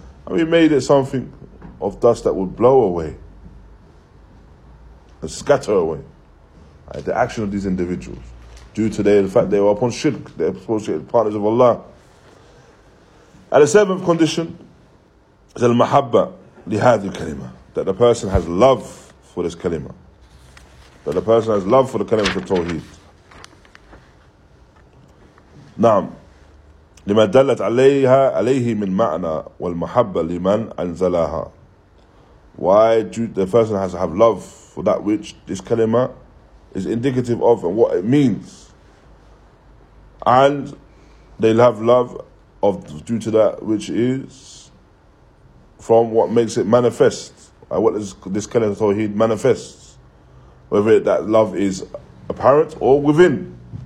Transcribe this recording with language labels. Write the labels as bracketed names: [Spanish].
[English] And we made it something of dust that would blow away and scatter away, right? The action of these individuals due to the fact they were upon shirk, they were associated partners of Allah. And the seventh condition is al-mahabba lihadi kalima, that the person has love for this kalima, that the person has love for the kalima of Tawheed. [Arabic] Naam. لما دلت عليها عليه من معنى والمحبة لمن أنزلها. [English] Why the person has to have love for that which this kalima is indicative of and what it means, and they'll have love of due to that which is from what makes it manifest, and what is this kalima Tawheed manifests, whether that love is apparent or within.